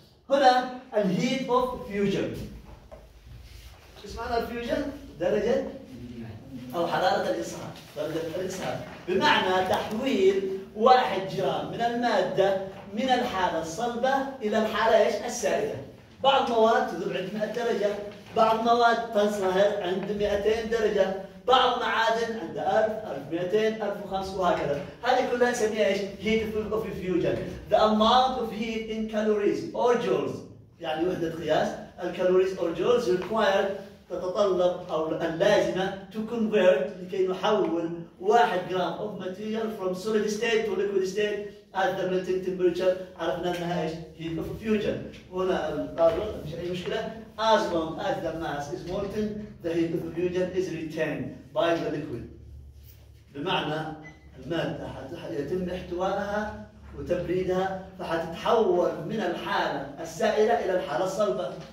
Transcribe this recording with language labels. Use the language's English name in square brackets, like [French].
[Arabic] هنا الهيت اوف فيوجن، ايش معنى الفيوجن؟ درجه أو حرارة الإصهار، درجة الإصهار، بمعنى تحويل 1 جرام من المادة من الحالة الصلبة إلى الحالة إيش؟ السائلة. بعض مواد تذوب عند 100 درجة، بعض مواد تنصهر عند 200 درجة، بعض معادن عند 1000، 1200، 1500 وهكذا. هذه كلها نسميها إيش؟ heat of fusion. [English] The amount of heat in calories or joules، [Arabic] يعني وحدة قياس الكالوريز أو جولز [English] required، [Arabic] تتطلب او اللازمه [English] to convert [Arabic] لكي نحول 1 جرام [English] of material from solid state to liquid state at the melting temperature، [Arabic] عرفنا انها ايش؟ [English] heat of fusion. [Arabic] هنا القانون مش اي مشكله، [English] as long as the mass is molten the heat of fusion is retained by the liquid، [Arabic] بمعنى الماده يتم احتوائها وتبريدها فحتتحول من الحاله السائله الى الحاله الصلبه.